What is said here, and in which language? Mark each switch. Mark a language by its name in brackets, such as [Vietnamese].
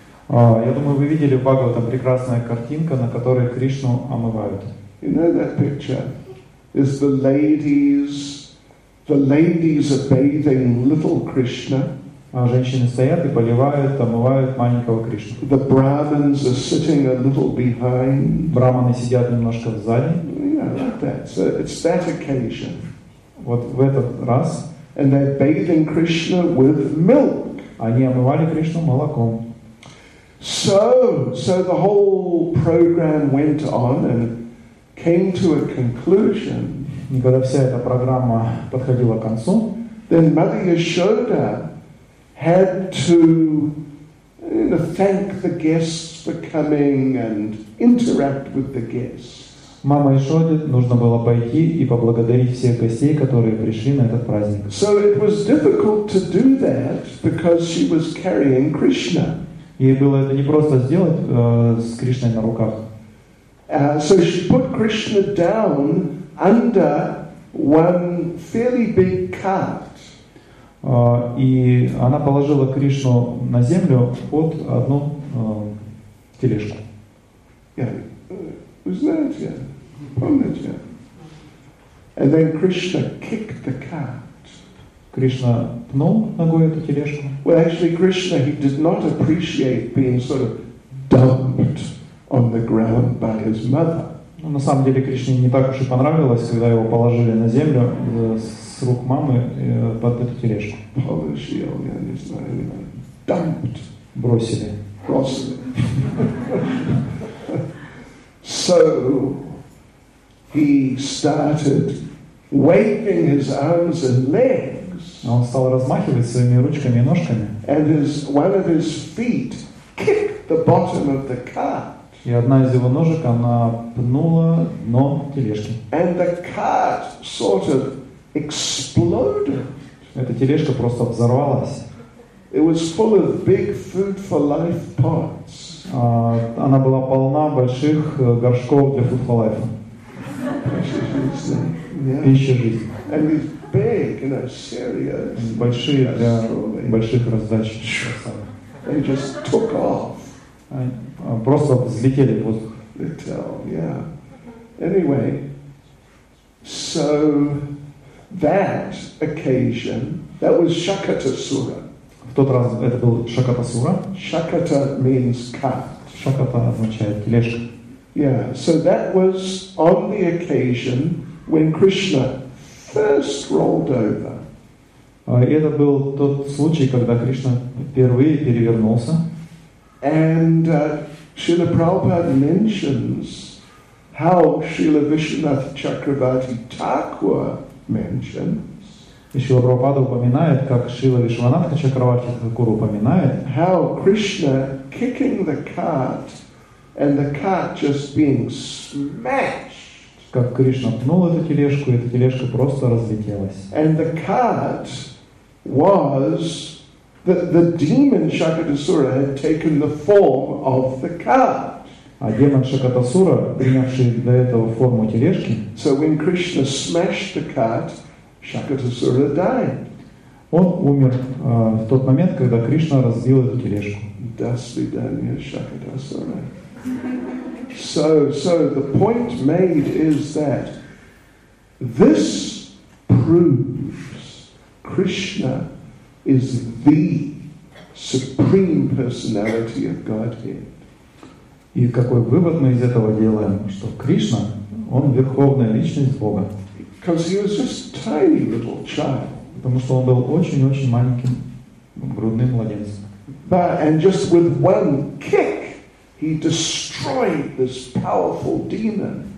[Russian] Я думаю, вы видели в Бхагаватам прекрасная картинка, на которой Кришну омывают. [English] You know that picture? Is the ladies are bathing little Krishna. [Russian] Женщины стоят и омывают маленького Кришну. [English] The Brahmins are sitting a little behind. [Russian] Брахманы сидят немножко сзади. [English] Yeah, like that. So it's that occasion. [Russian] Вот в этот раз. [English] And they're bathing Krishna with milk. [Russian] Они омывали Кришну молоком. [English] So the whole program went on and came to a conclusion. [Russian] И когда вся эта программа подходила к концу, [English] then Mother Yashoda had to, you know, thank the guests for coming and interact with the guests. [Russian] Мама Яшоде нужно было пойти и поблагодарить всех гостей, которые пришли на этот праздник. [English] So it was difficult to do that because she was carrying Krishna. [Russian] Ей было это не просто сделать с Кришной на руках. [English] So she put Krishna down under one fairly big cart. [Russian] И она положила Кришну на землю под одну тележку. [English] Yeah. [Russian] Знаете, помните? [English] And then Krishna kicked the cart. [Russian] Кришна пнул ногой эту тележку. [English] Well, actually, Krishna, he did not appreciate being sort of dumped on the ground by his mother. [Russian] Ну, на самом деле, Кришне не так уж и понравилось, когда его положили на землю с рук мамы под эту тележку. Полышили, я не знаю, или [English] dumped. [Russian] Бросили. Бросили. [English] So he started waving his arms and legs. [Russian] Он стал размахивать своими ручками и ножками. [English] And one of his feet kicked the bottom of the cart. [Russian] И одна из его ножек, она пнула дно тележки. [English] And the cart sort of exploded. [Russian] Эта тележка просто взорвалась. [English] It was full of big food for life pots. [Russian] Она была полна больших горшков для food for life. Пища жизни. [English] Big, you know, serious. [Russian] Большие для больших раздач. [English] They just took off. [Russian] Просто взлетели в воздух. [English] Yeah. Anyway, so that occasion, that was Shakatasura. [Russian] В тот раз это был Шакатасура. [English] Shakata means cut. [Russian] Шаката означает тележка. [English] Yeah. So that was on the occasion when Krishna first rolled over. [Russian] Это был тот случай, когда Кришна впервые перевернулся. [English] And Srila Prabhupada mentions how Srila Vishwanath Chakravarti Thakur mentions. [Russian] И Шрила Прабхупада упоминает, как Шрила Вишванатха Чакраварти Такур упоминает, [English] how Krishna kicking the cart and the cart just being smashed. [Russian] Как Кришна пнул эту тележку, и эта тележка просто разлетелась. [English] And the cart was the demon Shakatasura had taken the form of the cart. [Russian] А демон Шакатасура, принявший до этого форму тележки, [English] so when Krishna smashed the cart, Shakatasura died. [Russian] Он умер в тот момент, когда Кришна разбил эту тележку. До свидания, Шакатасура. [English] So the point made is that this proves Krishna is the supreme personality of Godhead. [Russian] И какой вывод мы из этого делаем, что Кришна, он верховная личность Бога. [English] Because he was just a tiny little child. [Russian] Потому что он был очень-очень маленьким грудным младенцем. [English] But, and just with one kick, he destroyed this powerful demon.